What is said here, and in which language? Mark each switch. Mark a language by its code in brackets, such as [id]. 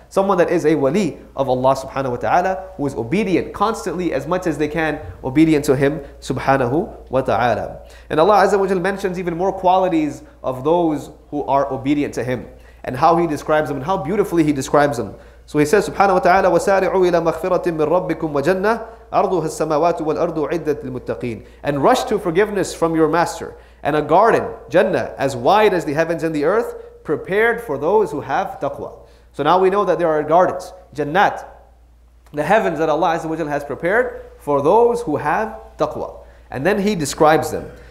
[en] Someone that is a wali of Allah subhanahu wa ta'ala, who is obedient constantly as much as they can, obedient to Him subhanahu wa ta'ala. And Allah Azza wa Jalla mentions even more qualities of those who are obedient to Him, and how He describes them, and how beautifully He describes them. So He says, [ar] subhanahu wa ta'ala, وَسَارِعُوا إِلَى مَغْفِرَةٍ مِّن رَبِّكُمْ وَجَنَّةٍ أَرْضُهَا السَّمَاوَاتُ وَالْأَرْضُ عِدَّةٍ لِلْمُتَّقِينَ. [en] And rush to forgiveness from your master, and a garden, Jannah, as wide as the heavens and the earth, prepared for those who have taqwa. So now we know that there are gardens, Jannat, the heavens that Allah Azza wa Jalla has prepared for those who have taqwa. And then He describes them.